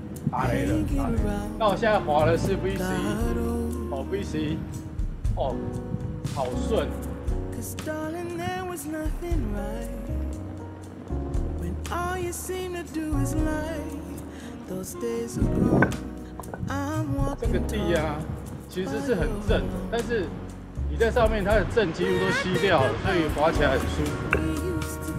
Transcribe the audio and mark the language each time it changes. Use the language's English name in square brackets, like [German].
[Chinese] 打雷了，打雷了。那我现在滑的是 V 十一，哦 V 十一，哦。好顺。 [English] Cause darling, there was nothing right. When all you seem to do is lie. Those days are gone. I'm walking. [Chinese] 这个地啊，其实是很正，但是你在上面，它的正几乎都吸掉了，所以滑起来很舒服。